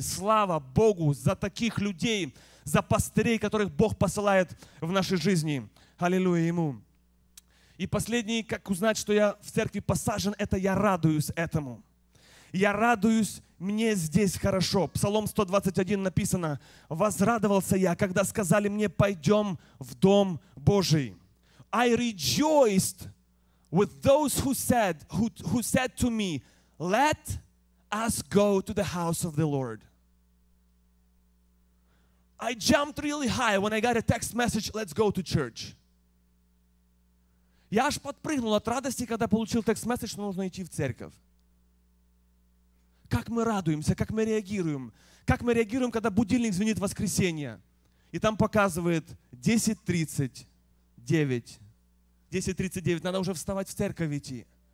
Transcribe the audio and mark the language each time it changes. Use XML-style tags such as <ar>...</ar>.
<ru>Слава Богу за таких людей, за пастырей, которых Бог посылает в нашей жизни. Аллилуйя Ему. И последний, как узнать, что я в церкви посажен, это я радуюсь этому. Я радуюсь, мне здесь хорошо. Псалом 121 написано: «Возрадовался я, когда сказали мне, пойдем в Дом Божий».</ru> <en>I rejoiced with those who said to me, let us go to the house of the Lord. I jumped really high when I got a text message, let's go to church.</en> <ru>Я аж подпрыгнул от радости, когда получил</ru> <en>text message,</en> <ru>что нужно идти в церковь. Как мы радуемся, как мы реагируем. Как мы реагируем, когда будильник звенит в воскресенье. И там показывает 10:39, надо уже вставать в церковь идти.</ru>